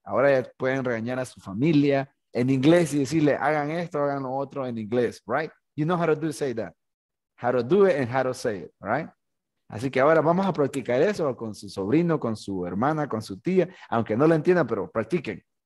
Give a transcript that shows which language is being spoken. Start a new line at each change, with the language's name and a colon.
Spanish: Ahora ya pueden regañar a su familia en inglés y decirle, hagan esto, hagan lo otro en inglés, right?
English: You know how to do say that. How to do it and how to say it, right?
Spanish: Así que ahora vamos a practicar eso con su sobrino, con su hermana, con su tía, aunque no la entienda, pero practiquen.